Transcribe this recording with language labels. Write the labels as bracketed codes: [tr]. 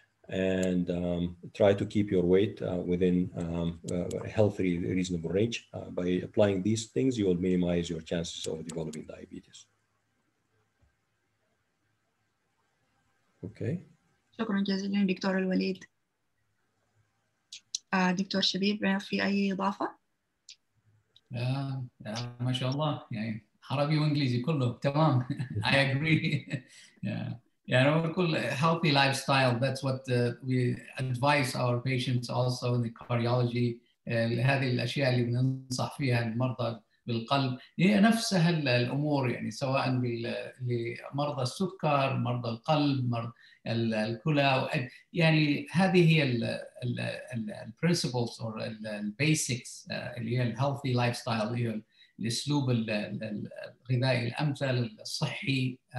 [en] And try to keep your weight within a healthy, reasonable range. By applying these things, you will minimize your chances of developing diabetes. Okay. [ar] شكرا جزيلا دكتور الوليد. دكتور شبيب في أي إضافة؟ ما شاء الله يعني عربي وإنجليزي كله تمام. [en] I agree. Yeah, we call healthy lifestyle. That's what we advise our patients also in the cardiology. [ar] هذه الأشياء اللي بننصح فيها المرضى بالقلب هي نفسها الأمور يعني سواء لمرضى السكر، مرضى القلب، مرضى الكلى يعني هذه هي ال [en] principles or the basics [ar] اللي هي [en] healthy lifestyle [ar] اللي هي الأسلوب الغذائي الأمثل الصحي.